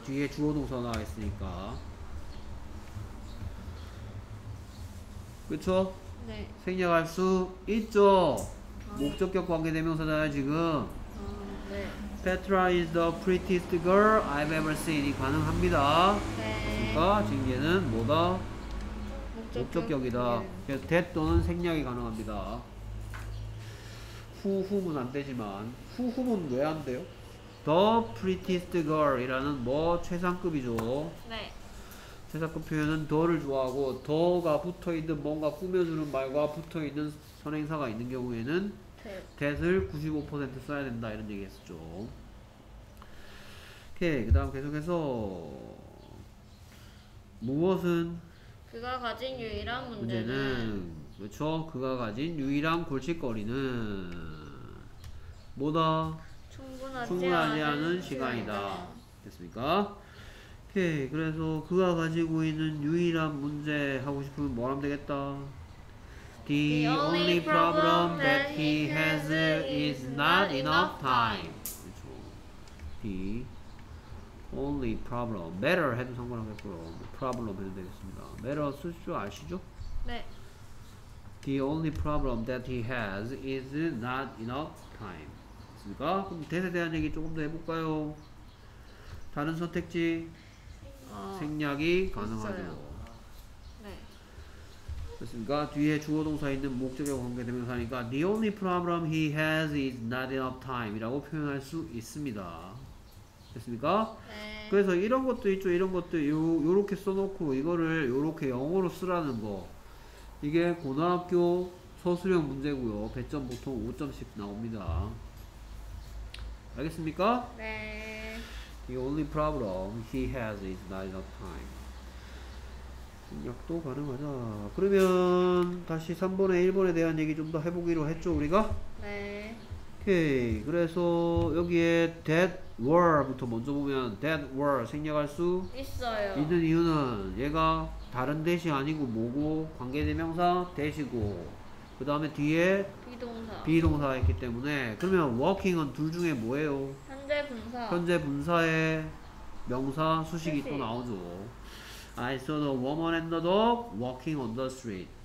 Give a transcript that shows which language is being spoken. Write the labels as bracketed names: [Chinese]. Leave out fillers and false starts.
[Korean] 뒤에 주어 동사 나와 있으니까. 그쵸? 네. 생략할 수 있죠. 목적격 관계대명사잖아요, 지금. 네. [English] Petra is the prettiest girl I've ever seen. [Korean] 이 가능합니다. 그러니까 네. 지금 얘는 뭐다? 목적격이다. 그래서 that 또는 생략이 가능합니다. 후후문 안 되지만 후후문 왜 안 돼요? The prettiest girl이라는 뭐 최상급이죠. 네. 최상급 표현은 더를 좋아하고 더가 붙어 있는 뭔가 꾸며주는 말과 붙어 있는 선행사가 있는 경우에는 that을 95% 써야 된다 이런 얘기했었죠. 오케이, 그다음 계속해서 무엇은 그가 가진 유일한 문제는 그렇죠. 그가 가진 유일한 골칫거리는 뭐다? 충분하지 않은 시간이다. 됐습니까? 오케이. 그래서 그가 가지고 있는 유일한 문제 하고 싶으면 뭐 하면 되겠다. [English] The only problem that he has is not enough time. [Korean] 그렇죠. [English] The only problem. [Korean] Matter 해도 상관없겠고요. Problem 해도 되겠습니다. Matter 쓸 줄 아시죠? 네. [English] The only problem that he has is not enough time. [Korean] 됐습니까? 그럼 that에 대한 얘기 조금 더 해볼까요? 다른 선택지 생략이 가능하죠. 네. 됐습니까? 뒤에 주어동사에 있는 목적격 관계대명사니까 [English] the only problem he has is not enough time [Korean] 이라고 표현할 수 있습니다. 됐습니까? 네. 그래서 이런 것도 있죠. 이런 것도 요렇게 써놓고 이거를 요렇게 영어로 쓰라는 거 이게 고등학교 서술형 문제고요. 배점 보통 5점씩 나옵니다. 알겠습니까? 네. [English] The only problem he has is not enough time. [Korean] 생략도 가능하다. 그러면 다시 3번에 1번에 대한 얘기 좀 더 해보기로 했죠, 우리가? 네. 오케이. 그래서 여기에 that were부터 먼저 보면 that were 생략할 수 있어요. 있는 이유는 얘가 다른 대시 아니고 뭐고 관계대명사 대시고 그 다음에 뒤에 비동사 있기 때문에 그러면 walking은 둘 중에 뭐예요? 현재 분사 현재 분사의 명사 수식이 대시. 또 나오죠. [English] I saw the woman and the dog walking on the street.